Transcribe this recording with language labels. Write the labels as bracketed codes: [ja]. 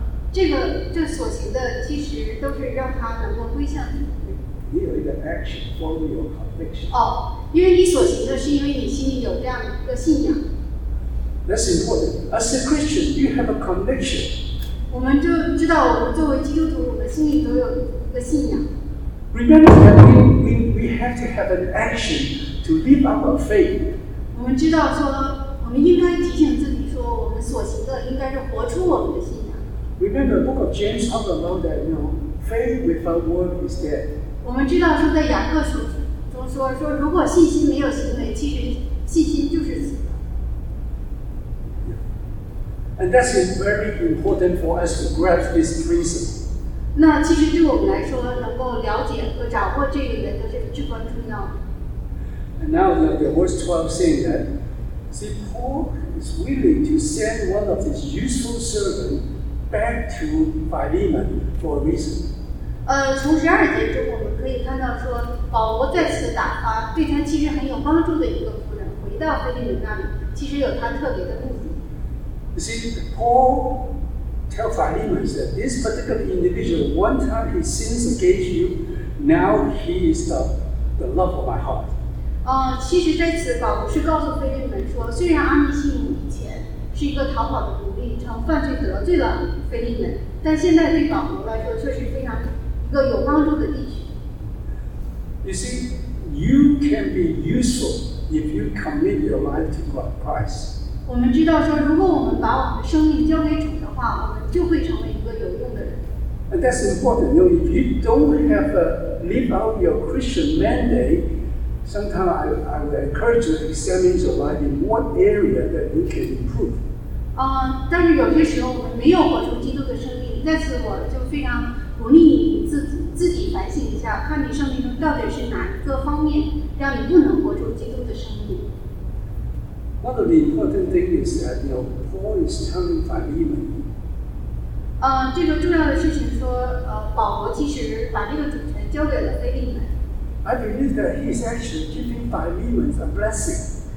[zh] 这所行的其实都是让他能够归向主。你有一个 [en] action, follow your conviction. [zh] 因为你所行的是因为你心里有这样一个信仰。 [en] That's important. As a Christian, you have a conviction. [zh] 我们就知道，我们作为基督徒，我们心里都有一个信仰。 [en] Remember that we have to have an action to live up our faith. [zh] 我们知道说，我们应该提醒自己说，我们所行的应该是活出我们的信仰。 [en] Remember the book of James talks about that, faith without work is dead. [zh] 我们知道说在雅各书中说如果信心没有行为，其实信心就是死的。 [en] And that is very important for us to grasp this reason. [zh] 那其实对我们来说，能够了解和掌握这个原则是至关重要的。 [en] And now the verse 12 saying that, see, Paul is willing to send one of his useful servants back to Philemon for a reason. [zh] 从十二节中我们可以看到说保罗再次打发对他其实很有帮助的一个仆人回到腓利门那里，其实有他特别的目的。 [en] You see, Paul tell Philemon that this particular individual, one time he sins against you, now he is the love of my heart. [zh] 其实在此保罗是告诉腓利门说，虽然阿尼西姆以前是一个逃跑的奴隶，曾犯罪得罪了腓利门，但现在对保罗来说确实非常一个有帮助的地区。 [en] You see, you can be useful if you commit your life to God Christ. [zh] 我们知道说，如果我们把我们的生命交给主的话，我们就会成为一个有用的人。 [en] And that's important. You know, if you don't have live out your Christian mandate, sometimes I would encourage you to examine your life in what area that you can improve. [zh] 但是有些时候我们没有活出基督的生命，在此我就非常鼓励你。自己反省一下，看你生命中到底是哪一个方面让你不能活出基督的生命。 [en] One of the important things is that Paul is telling Philemon. [zh] 这个重要的事情说，保罗其实把这个主权交给了腓利门。 [en] I believe that he is actually giving Philemon a blessing.